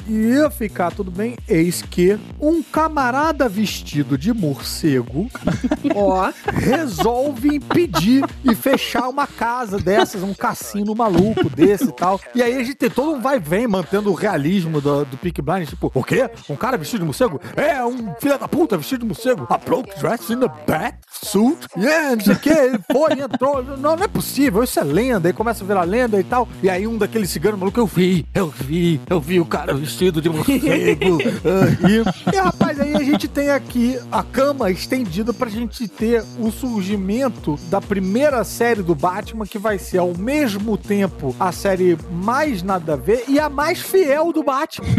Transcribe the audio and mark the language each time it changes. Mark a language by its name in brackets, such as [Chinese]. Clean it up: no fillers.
[Portuguese] E ia ficar tudo bem, eis que um camarada vestido de morcego ó, resolve impedir e fechar uma casa dessas, um cassino maluco desse e tal. E aí a gente tem todo um vai e vem mantendo o realismo do Peaky Blinders. Tipo, o quê? Um cara vestido de morcego? É! É um filho da puta vestido de morcego. [English] A broke dress in a bat suit. [Portuguese] Yeah, não sei o que. Ele foi, entrou. Não é possível. Isso é lenda. Aí começa a virar lenda e tal. E aí um daqueles ciganos maluco, eu vi o cara vestido de morcego. E rapaz, aí a gente tem aqui a cama estendida pra gente ter o surgimento da primeira série do Batman, que vai ser ao mesmo tempo a série mais nada a ver e a mais fiel do Batman.